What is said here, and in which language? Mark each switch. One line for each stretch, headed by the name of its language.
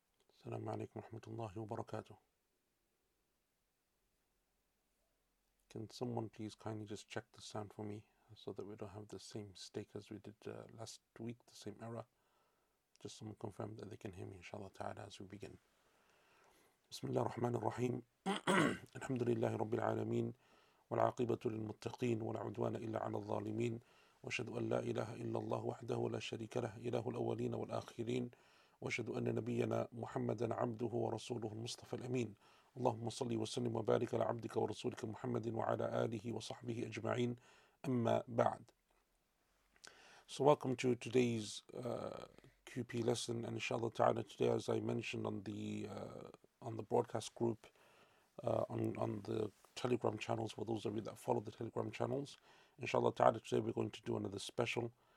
Arabic: السلام عليكم ورحمة الله وبركاته.
English: Can someone please kindly just check the sound for me so that we don't have the same mistake as we did last week, the same error. Just someone confirm that they can hear me, inshallah ta'ala, as we begin.
Arabic: بسم الله الرحمن الرحيم الحمد لله رب العالمين والعاقبة للمتقين ولا عدوان إلا على الظالمين وأشهد أن لا إله إلا الله وحده لا شريك له إله الأولين والآخرين وأشهد أن نبينا محمدا عبده ورسوله المصطفى الأمين اللهم صل وسلم وبارك على عبدك ورسولك محمد وعلى آله وصحبه أجمعين أما بعد.
English: So welcome to today's QP lesson, and inshallah ta'ala today, as I mentioned on the broadcast group, on the Telegram channels, for those of you that follow the Telegram channels, inshallah ta'ala today we're going to do another special.